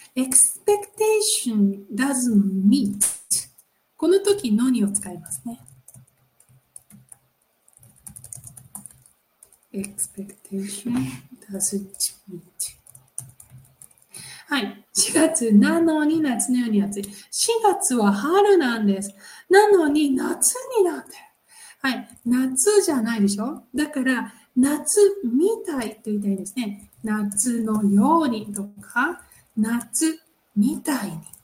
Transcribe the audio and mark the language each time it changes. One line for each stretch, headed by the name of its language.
English: Expectation doesn't meet.
Japanese: この時、のにを使いますね。
English: Expectation doesn't meet.
Japanese: はい。 4月なのに夏のように暑い。4月は春なんです。なのに夏になってる。はい。夏じゃないでしょ？だから、夏みたいと言いたいですね。夏のようにとか、夏みたいに。